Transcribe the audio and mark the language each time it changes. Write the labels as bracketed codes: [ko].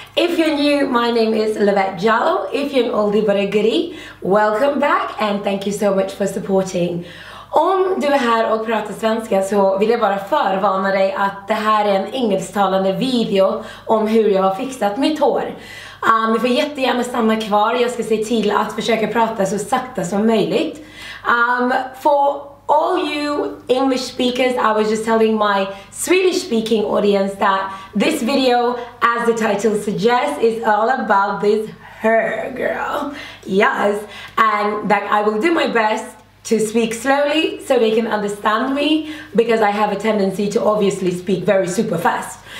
[en] If you're new, my name is Lovette Jallow. If you're an oldie but a goodie, welcome back and thank you so much for supporting. [sv] Om du är här och pratar svenska så vill jag bara förvarna dig att det här är en engelsktalande video om hur jag har fixat mitt hår. Ni får jättegärna stanna kvar, jag ska se till att försöka prata så sakta som möjligt. [en] For all you English speakers, I was just telling my Swedish speaking audience that this video, as the title suggests, is all about this hair girl. Yes, and that I will do my best to speak slowly so they can understand me, because I have a tendency to obviously speak very super fast.